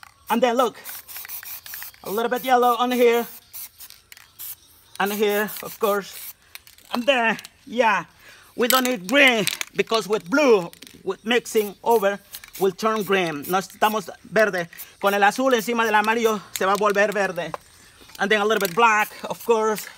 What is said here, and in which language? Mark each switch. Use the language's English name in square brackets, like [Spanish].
[English] And then look, a little bit yellow on here. And here, of course. And then, yeah, we don't need green because with blue, with mixing over, will turn green. [Spanish] No estamos verde. Con el azul encima del amarillo, se va a volver verde. [English] And then a little bit black, of course.